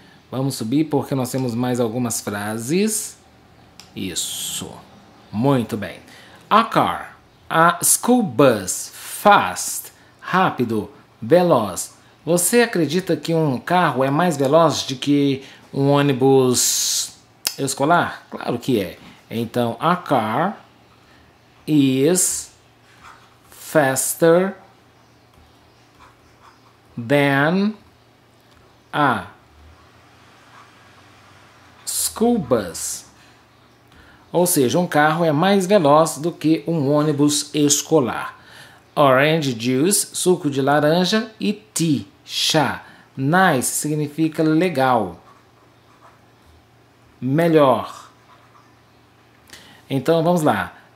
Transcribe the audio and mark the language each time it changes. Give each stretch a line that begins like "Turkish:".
Portuguese: Vamos subir porque nós temos mais algumas frases. Isso. Muito bem.
English: A car, a school bus, fast,
Portuguese: rápido, veloz. Você acredita que um carro é mais veloz do que um ônibus escolar? Claro que é. Então,
English: a car is faster than a school bus.
Portuguese: Ou seja, um carro é mais veloz do que um ônibus escolar.
English: Orange juice,
Portuguese: suco de laranja, e tea, chá. Nice significa legal, melhor. Então vamos lá.